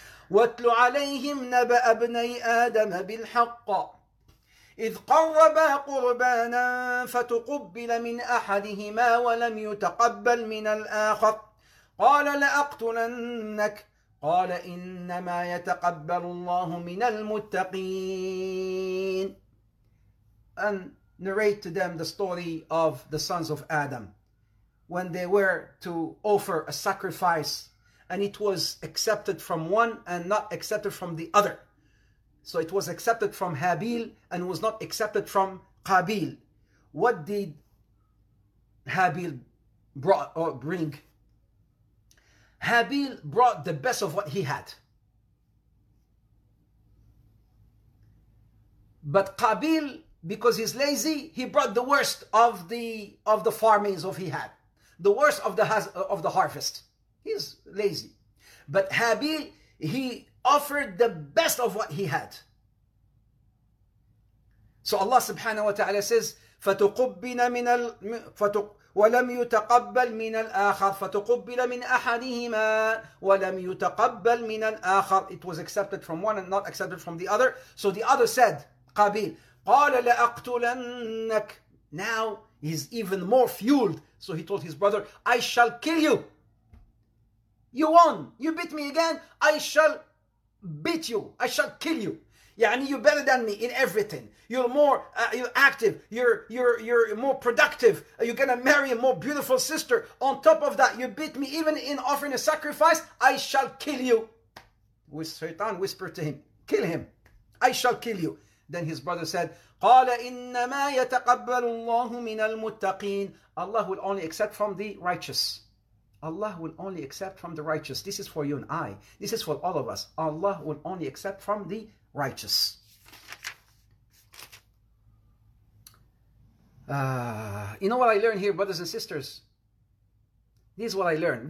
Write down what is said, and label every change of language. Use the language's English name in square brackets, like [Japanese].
[Arabic] واتل عليهم نبأ ابني آدم بالحق إذ قربا قربانا فتقبل من أحدهما ولم يتقبل من الآخر قال لأقتلنك قال إنما يتقبل الله من المتقين. [English] And narrate to them the story of the sons of Adam when they were to offer a sacrifice and it was accepted from one and not accepted from the other. So it was accepted from Habil and was not accepted from Qabil. What did Habil brought or bring? Habil brought the best of what he had. But Qabil, because he's lazy, he brought the worst of the farmings of he had. The worst of the harvest. He's lazy. But Habil, he offered the best of what he had. [Arabic] So Allah subhanahu wa ta'ala says, فَتُقُبِّنَ مِنَ وَلَمْ يُتَقَبَّلْ مِنَ الْآخَرِ فَتُقُبِّلَ مِنْ أَحَدِهِمَا وَلَمْ يُتَقَبَّلْ مِنَ الْآخَرِ. [English] It was accepted from one and not accepted from the other. So the other said, Qabil, [Arabic] قَالَ لَأَقْتُلَنَّكَ. [English] Now he's even more fueled. So he told his brother, I shall kill you. You won. You beat me again. I shall beat you. I shall kill you. يعني you're better than me in everything. You're more active. You're more productive. You're gonna marry a more beautiful sister. On top of that, you beat me even in offering a sacrifice. I shall kill you. Shaitan whispered to him, kill him. I shall kill you. Then his brother said, [Arabic] قَالَ إِنَّمَا يَتَقَبَّلُ اللَّهُ مِنَ الْمُتَّقِينَ. [English] Allah will only accept from the righteous. Allah will only accept from the righteous. This is for you and I. This is for all of us. Allah will only accept from the righteous. You know what I learned here, brothers and sisters? This is what I learned.